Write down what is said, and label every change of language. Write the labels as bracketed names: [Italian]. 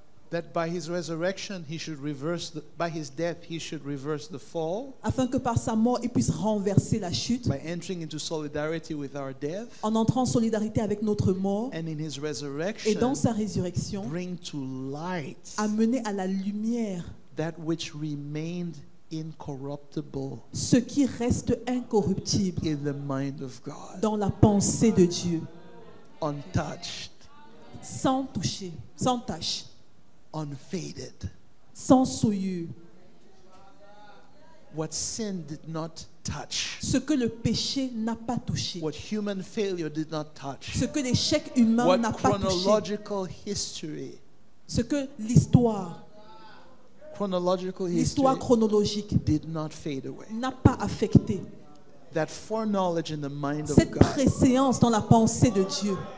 [English] That by his resurrection he should reverse the, by his death he should reverse the fall. [French] Afin que par sa mort il puisse renverser la chute. [English] By entering into solidarity with our death. [French] En entrant en solidarité avec notre mort. [English] And in his resurrection. [French] Et dans sa résurrection. [English] Bring to light. [French] Amener à la lumière. [English] That which remained incorruptible, [French] ce qui reste incorruptible, [English] in the mind of God, [French] dans la pensée de Dieu, [English] untouched, [French] sans toucher, sans tache, [English] unfaded, [French] sans souillure. [English] What sin did not touch, [French] ce que le péché n'a pas touché, [English] what human failure did not touch, [French] ce que l'échec humain [English] what [French] n'a pas touché, [English] chronological history, [French] ce que l'histoire, [English] chronological history, [French] l'histoire chronologique, [English] did not fade away, [French] n'a pas affecté, [English] that foreknowledge in the mind [French] cette [English] of God, [French] préscience dans la pensée de Dieu.